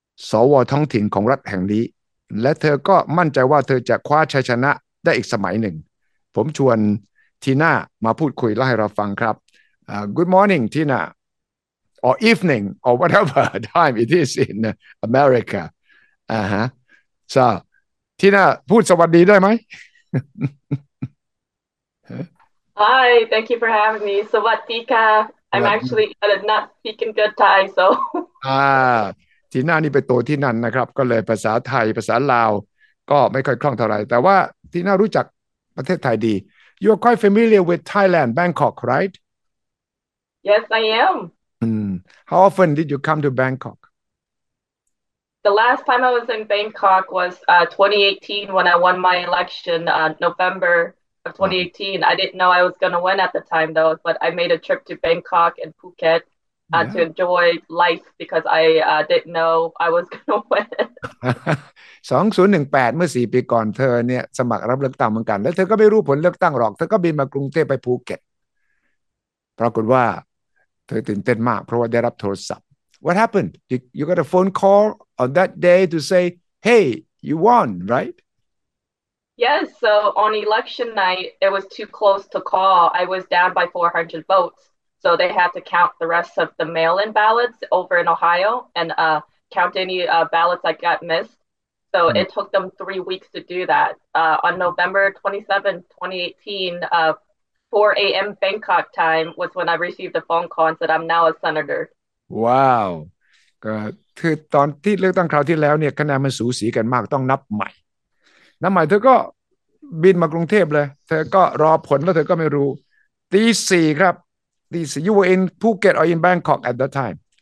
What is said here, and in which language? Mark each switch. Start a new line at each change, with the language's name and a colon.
Thai: สวท้องถิ่นของรัฐแห่งนี้และเธอก็มั่นใจว่าเธอจะคว้าชัยชนะได้อีกสมัยหนึ่งผมชวนTina มาพูดคุยแล้วให้เราฟังครับ
English: good morning Tina or evening or whatever time it is in America so Tina
Thai: พูดสวัสดีได้ไหม
English: hi thank you for having me
Thai: สวัสดีค่ะ
English: I'm actually not speaking good Thai so
Thai: Tina นี่ไปโตที่นั่นนะครับก็เลยภาษาไทยภาษาลาวก็ไม่ค่อยคล่องเท่าไหร่แต่ว่า Tina รู้จักประเทศไทยดี
English: You are quite familiar with Thailand, Bangkok, right? Yes, I am. How often did you come to Bangkok? The last time I was in Bangkok was 2018 when I won my election November of 2018. Wow. I didn't know I was going to win at the time, though, but I made a trip to Bangkok and Phuket to enjoy life because I didn't know I was going to win.
Thai: 2018เมื่อ4ปีก่อนเธอเนี่ยสมัครรับเลือกตั้งเหมือนกันแล้วเธอก็ไม่รู้ผลเลือกตั้งหรอกเธอก็บินมากรุงเทพไปภูเก็ตปรากฏว่าเธอตื่นเต้นมากเพราะว่าได้รับโทรศัพท์
English: What happened? You got a phone call on that day to say, hey, you won, right? Yes, so on election night, it was too close to call. I was down by 400 votes. So they had to count the rest of the mail-in ballots over in Ohio and count any ballots I got missed. So it took them 3 weeks to do that. On November 27, 2018, 4 a.m. Bangkok time was when I received a phone call and said I'm now a senator. Wow.
Thai: คือตอนที่เลือกตั้งคราวที่แล้วเนี่ยคะแนนมันสูสีกันมากต้องนับใหม่นับใหม่เธอก็บินมากรุงเทพเลยเธอก็รอผลแล้วเธอก็ไม่รู้ตีสี่ครับตีสี่
English: You were in Phuket or in Bangkok at that time?